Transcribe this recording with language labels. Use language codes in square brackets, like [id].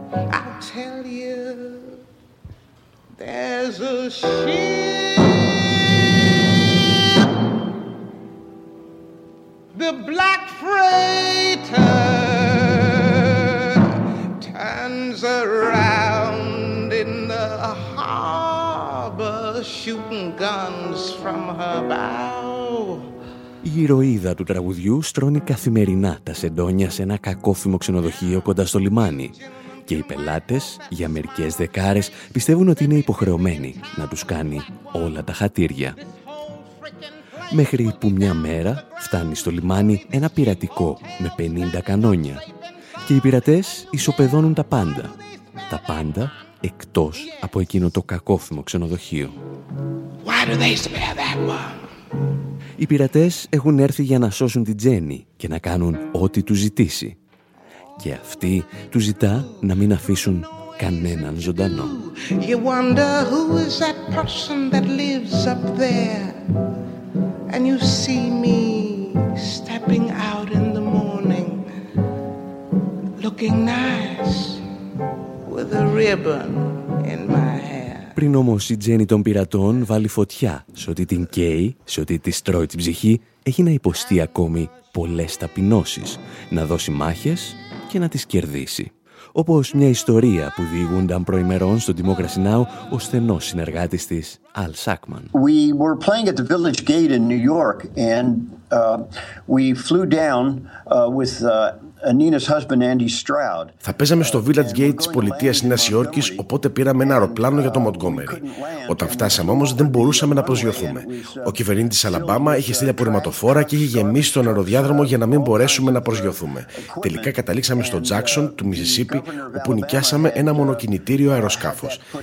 [en] I'll tell you, there's a ship, the black freighter turns around in the harbor, shooting guns from her bow. [el] Η ηρωίδα του τραγουδιού στρώνει καθημερινά τα σεντόνια σε ένα κακόφημο ξενοδοχείο κοντά στο λιμάνι. Και οι πελάτες, για μερικές δεκάρες, πιστεύουν ότι είναι υποχρεωμένοι να τους κάνει όλα τα χατήρια. Μέχρι που μια μέρα φτάνει στο λιμάνι ένα πειρατικό με 50 κανόνια. Και οι πειρατές ισοπεδώνουν τα πάντα. Τα πάντα εκτός από εκείνο το κακόφημο ξενοδοχείο. Οι πειρατές έχουν έρθει για να σώσουν την Τζέννη και να κάνουν ό,τι του ζητήσει. Και αυτή του ζητά να μην αφήσουν κανέναν ζωντανό. [en] You wonder who is that person that lives up there, and you see me stepping out in the morning, looking nice with a ribbon in my hair. [el] Πριν όμως η Τζέννη των πειρατών βάλει φωτιά σε ό,τι την καίει, σε ό,τι της τρώει την ψυχή, έχει να υποστεί ακόμη πολλές ταπεινώσεις, να δώσει μάχες και να τις κερδίσει. Όπως μια ιστορία που διηγούνταν προημερών στο Democracy Now ο στενός συνεργάτης της, Al Sackman. [en] We were playing at the Village Gate in New York and we flew down with Nina's husband Andy Stroud. [el] Θα παίζαμε στο Village Gate της πολιτείας Νέας Υόρκης, οπότε πήραμε ένα αεροπλάνο για το Montgomery. Όταν φτάσαμε όμως δεν μπορούσαμε να προσγειωθούμε. Ο κυβερνήτης Αλαμπάμα είχε στείλει απορριμματοφόρα και είχε γεμίσει τον αεροδιάδρομο για να μην μπορέσουμε να προσγειωθούμε. Τελικά καταλήξαμε στο Jackson του Mississippi, όπου νοικιάσαμε ένα μονοκινητήριο αεροσκάφος.